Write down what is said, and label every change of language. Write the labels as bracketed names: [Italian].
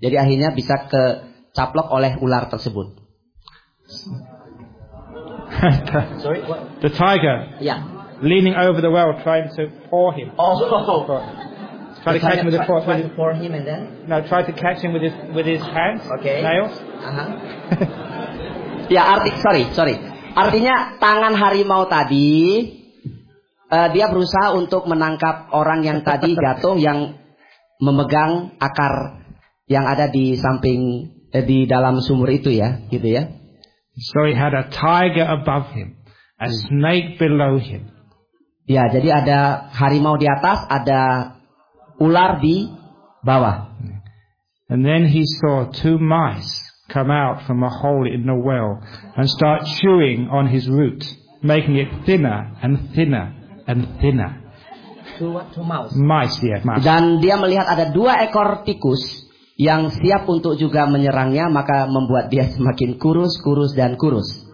[Indonesian] Jadi akhirnya bisa kecaplok oleh ular tersebut. [English] Sorry, what? The tiger. Yeah. Leaning over the well, trying to paw him. Oh. Try to catch him with his paws. Try to paw him and then. No, try to catch him with his hands. Okay. Nails. Uh-huh. Yeah. Sorry. [Indonesian] Artinya tangan harimau tadi. Dia berusaha untuk menangkap orang yang tadi jatuh yang memegang akar yang ada di samping di dalam sumur itu ya, gitu ya. [English] So he had a tiger above him, a snake below him. [Indonesian] Ya, jadi ada harimau di atas, ada ular di bawah. [English] And then he saw two mice come out from a hole in the well and start chewing on his root, making it thinner and thinner. And thinner. Two mice. Yeah, mice. [Indonesian] Dan dia melihat ada dua ekor tikus yang siap untuk juga menyerangnya, maka membuat dia semakin kurus, kurus dan kurus.